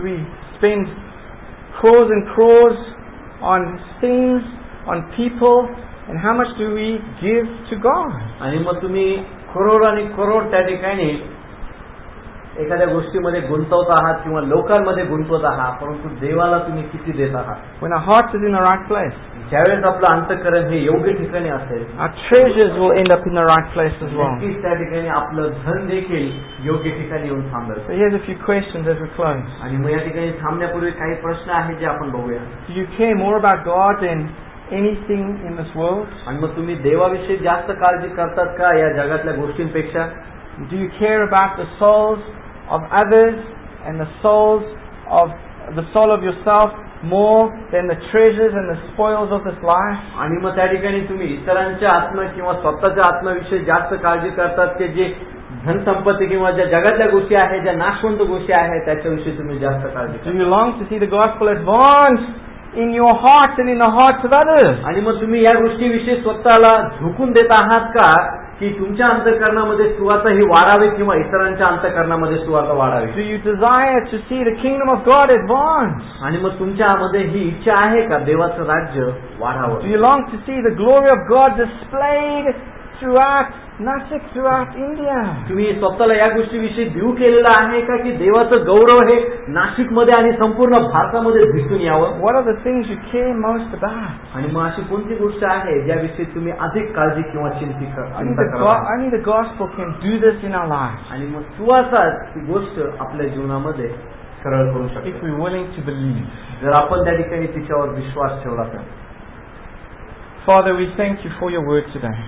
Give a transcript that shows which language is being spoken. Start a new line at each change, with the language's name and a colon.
English: We spend crores and crores on things, on people, and how much do we give to God?
Marathi: आणि मग तुम्ही करोड आणि करोड त्या ठिकाणी एखाद्या गोष्टीमध्ये गुंतवत आहात किंवा लोकांमध्ये गुंतवत आहात, परंतु देवाला तुम्ही किती देत आहात?
English: When our heart is in the right place.
Marathi: ज्यावेळेस आपलं अंतकरण हे योग्य ठिकाणी असेल,
English: our treasures will end up in the right place as well.
Marathi: त्या ठिकाणी आपलं धन देखील योग्य ठिकाणी येऊन थांबेल.
English: So here's a few questions as we close.
Marathi: आणि मग या ठिकाणी थांबण्यापूर्वी काही प्रश्न आहेत जे आपण बघूया.
English: Do you care more about God than anything in this world?
Marathi: आणि मग तुम्ही देवाविषयी जास्त काळजी करतात का या जगातल्या गोष्टींपेक्षा?
English: Do you care about the souls of others and the souls of the soul of yourself more than the treasures and the spoils of this life?
Marathi: आणि मग त्या ठिकाणी तुम्ही इतरांच्या आत्मा किंवा स्वतःच्या आत्म्याविषयी जास्त काळजी करतात की जे धन संपत्ती किंवा ज्या जगातल्या गोष्टी आहेत, ज्या नाशवंत गोष्टी आहेत त्याच्याविषयी तुम्ही जास्त काळजी?
English: Do you long to see the gospel advance in your heart and in the hearts of others?
Marathi: आणि मग तुम्ही या गोष्टीविषयी स्वतःला झुकून देत आहात का की तुमच्या अंतकरणामध्ये सुवार्ता ही वाढावी किंवा इतरांच्या अंतकरणामध्ये सुवार्ता वाढावी?
English: Do you desire to see the kingdom of God advance?
Marathi: आणि मग तुमच्या मध्ये ही इच्छा आहे का देवाचं राज्य वाढावं?
English: Do you long to see the glory of God displayed throughout Nashik, throughout India?
Marathi: तुम्ही स्वतःला या गोष्टीविषयी दिवू केलेला आहे का की देवाचं गौरव हे नाशिक मध्ये आणि संपूर्ण भारतामध्ये दिसून यावं?
English: What are the things you care most about?
Marathi: आणि मग अशी कोणती गोष्ट आहे ज्याविषयी तुम्ही अधिक काळजी किंवा चिंतित करता? आणि मग सुवार्ता ही गोष्ट आपल्या जीवनामध्ये सरळ करू शकते.
English: If we willing to believe.
Marathi: जर आपण त्या ठिकाणी तिच्यावर विश्वास ठेवला तर.
English: Father, we thank you for your word today.